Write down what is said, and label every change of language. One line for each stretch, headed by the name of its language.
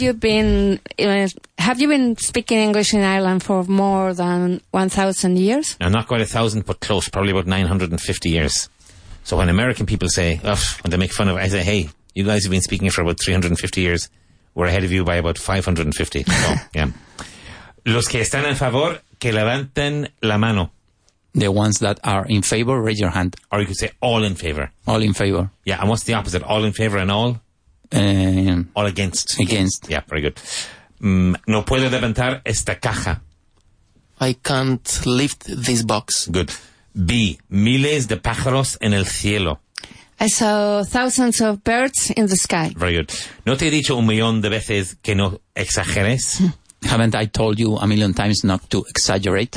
English: You been, have you been speaking English in Ireland for more than 1,000 years? No, not quite 1,000, but close. Probably about 950 years. So when American people say, ugh, when they make fun of it, I say, hey, you guys have been speaking for about 350 years. We're ahead of you by about 550. So, yeah.
Spanish: Los que están en favor, que levanten la mano.
English: The ones that are in favor, raise your hand. Or you could say all in favor. All in favor. Yeah, and what's the opposite? All in favor and all? All against. Against. Yeah, very good.
Spanish: No puedo levantar esta caja.
English: I can't lift this box. Good. B.
Spanish: Miles de pájaros en el cielo.
English: I saw thousands of birds in the sky. Very good.
Spanish: ¿No te he dicho un millón de veces que no exageres?
English: Haven't I told you a million times not to exaggerate?